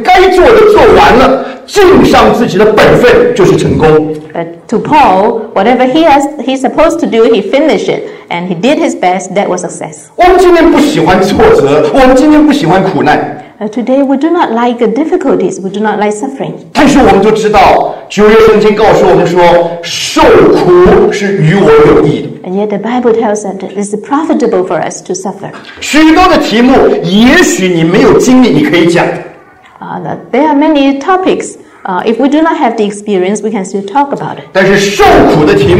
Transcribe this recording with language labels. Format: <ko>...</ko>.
<zh>保罗给我们看见是说，乃是把他前面该做的做完了。尽上自己的本分就是成功。</zh> <en>But to Paul, whatever he's supposed to do, he finished it, and he did his best. That was success.</en> <zh>我们今天不喜欢挫折，我们今天不喜欢苦难。</zh> <en>Today we do not like difficulties. We do not like suffering.</en> <zh>但是我们都知道，旧约圣经告诉我们说，受苦是与我有益的。</zh> <en>And yet the Bible tells us that it's profitable for us to suffer.</en> <zh>许多的题目，也许你没有经历，你可以讲。</zh> <en>There are many topics. If we do not have the experience, we can still talk about it.</en>